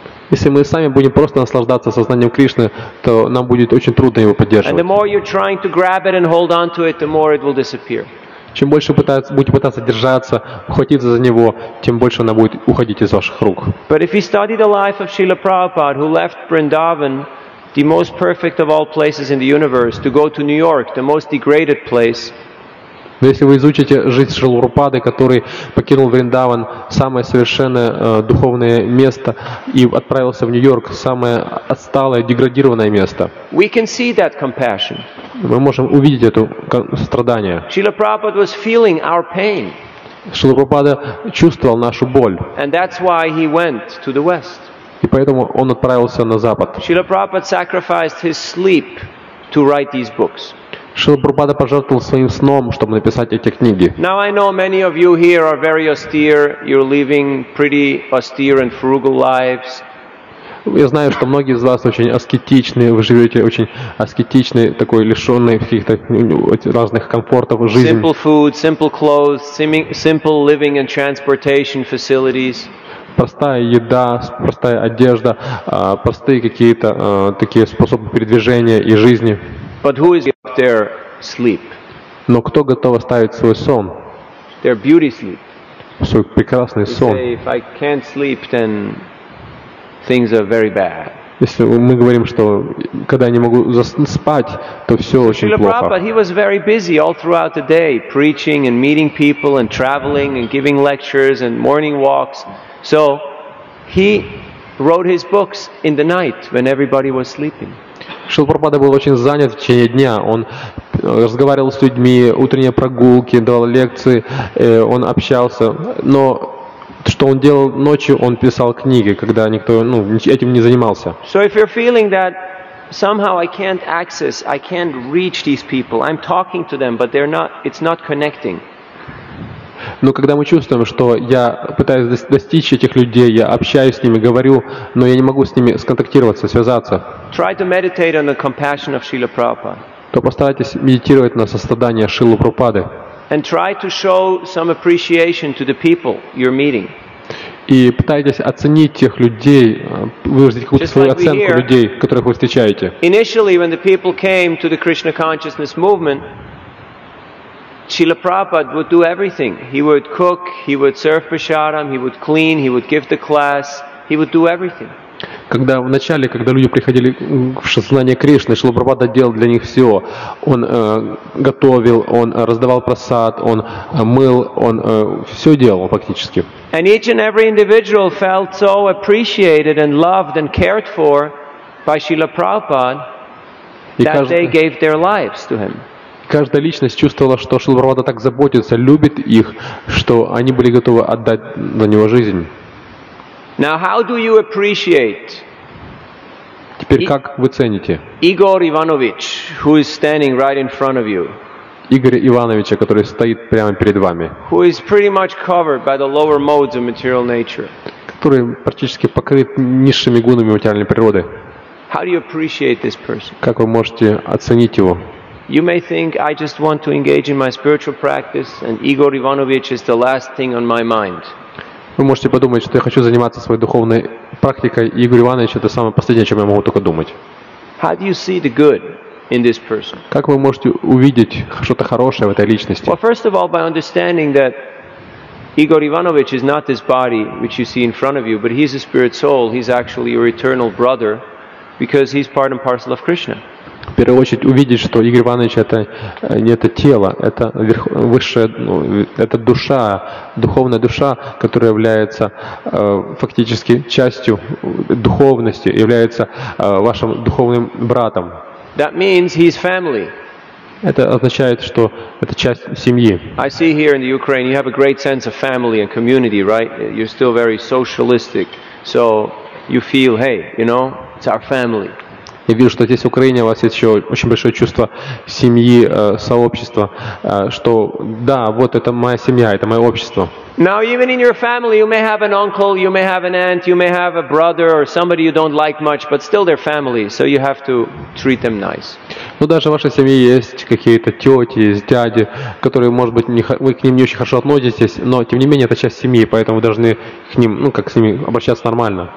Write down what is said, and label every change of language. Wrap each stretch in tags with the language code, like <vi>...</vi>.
<ru>Если мы сами будем просто наслаждаться сознанием Кришны, то нам будет очень трудно его поддерживать.</ru> <en>And the more you're trying to grab it and hold on to it, the more it will disappear.</en> <ru>Чем больше будете пытаться держаться, ухватиться за него, тем больше она будет уходить из ваших рук.</ru> <en>But if you study the life of Srila Prabhupada, who left Vrindavan, the most perfect of all places in the universe, to go to New York, the most degraded place.</en> <ru>Если вы изучите жизнь Шрилы Прабхупады, который покинул Вриндаван, самое совершенное духовное место, и отправился в Нью-Йорк, самое отсталое, деградированное место,</ru> <en>we can see that compassion.</en> <ru>Мы можем увидеть это страдание.</ru> <en>Шрила Прабхупада was feeling our pain.</en> <ru>Шрила Прабхупада чувствовал нашу боль.</ru> <en>And that's why he went to the West.</en> <ru>И поэтому он отправился на Запад.</ru> <en>Шрила Прабхупада sacrificed his sleep to write these books.</en> <ru>Шрила Прабхупада пожертвовал своим сном, чтобы написать эти книги.</ru> <en>Now I know many of you here are very austere. You're living pretty austere and frugal lives.</en> <ru>Я знаю, что многие из вас очень аскетичные. Вы живете очень аскетичной, такой лишенной каких-то разных комфортов жизни.</ru> <en>Simple food, simple clothes, simple living and transportation facilities.</en> <ru>Простая еда, простая одежда, простые какие-то такие способы передвижения и жизни.</ru> <en>But who is up there sleep?</en> <ru>Но кто готов оставить свой сон?</ru> <en>Their beauty sleep.</en> <ru>Свой прекрасный сон.</ru> <en>If I can't sleep, then things are very bad.</en> <ru>Если мы говорим, что когда я не могу спать, то все очень плохо.</ru> <en>Prabhupada, he was very busy all throughout the day, preaching and meeting people and traveling and giving lectures and morning walks. So he wrote his books in the night when everybody was sleeping.</en> <ru>Шрила Прабхупада был очень занят в течение дня. Он разговаривал с людьми, утренние прогулки, давал лекции, он общался. Но что он делал ночью, он писал книги, когда никто этим не занимался.</ru> <en>So if you're feeling that somehow I can't access, I can't reach these people, I'm talking to them, but they're not, it's not connecting.</en> <ru>Но когда мы чувствуем, что я пытаюсь достичь этих людей, я общаюсь с ними, говорю, но я не могу с ними сконтактироваться, связаться,</ru> <en>try to meditate on the compassion of Srila Prabhupada.</en> <ru>То постарайтесь медитировать на сострадание Шрилы Прабхупады.</ru> <en>And try to show some appreciation to the people you're meeting.</en> <ru>И пытайтесь оценить тех людей, выразить какую-то свою оценку людей, которых вы встречаете.</ru> <en>Initially, when the people came to the Krishna consciousness movement, Srila Prabhupada would do everything. He would cook, he would serve prasadam, he would clean, he would give the class, he would do everything.</en> <ru>Когда в начале, когда люди приходили в сознание Кришны, Шрила Прабхупада делал для них все. Он готовил, он раздавал прасад, он мыл, он все делал фактически.</ru> <en>And each and every individual felt so appreciated and loved and cared for by Srila Prabhupada that they gave their lives to him.</en> <ru>Каждая личность чувствовала, что Шрила Прабхупада так заботится, любит их, что они были готовы отдать за него жизнь.</ru> <en>Now, how do you appreciate?</en> <ru>Теперь как вы цените?</ru> <en>Igor Ivanovich, who is standing right in front of you.</en> <ru>Игоря Ивановича, который стоит прямо перед вами.</ru> <en>Who is pretty much covered by the lower modes of material nature.</en> <ru>Который практически покрыт низшими гунами материальной природы.</ru> <en>How do you appreciate this person?</en> <ru>Как вы можете оценить его?</ru> <en>You may think I just want to engage in my spiritual practice and Igor Ivanovich is the last thing on my mind.</en> <ru>Вы можете подумать, что я хочу заниматься своей духовной практикой, и Игорь Иванович это самое последнее, о чем я могу только думать.</ru> <en>How do you see the good in this person?</en> <ru>Как вы можете увидеть что-то хорошее в этой личности?</ru> <en>Well, first of all, by understanding that Igor Ivanovich is not this body which you see in front of you, but he's a spirit soul, he's actually your eternal brother because he's part and parcel of Krishna.</en> <ru>В первую очередь увидеть, что Игорь Иванович это не это тело, это высшая, это душа, духовная душа, которая является фактически частью духовности, является вашим духовным братом.</ru> <en>That means he's family.</en> <ru>Это означает, что это часть семьи.</ru> <en>I see here in the Ukraine you have a great sense of family and community, right? You're still very socialistic, so you feel, hey, you know, it's our family.</en> <ru>Я вижу, что здесь в Украине у вас есть еще очень большое чувство семьи, сообщества, что да, вот это моя семья, это мое общество.</ru> <en>Now even in your family you may have an uncle, you may have an aunt, you may have a brother or somebody you don't like much, but still they're family, so you have to treat them nice.</en> <ru>Ну даже в вашей семье есть какие-то тети, есть дяди, которые, может быть, не, вы к ним не очень хорошо относитесь, но тем не менее это часть семьи, поэтому вы должны к ним, ну как с ними обращаться нормально.</ru>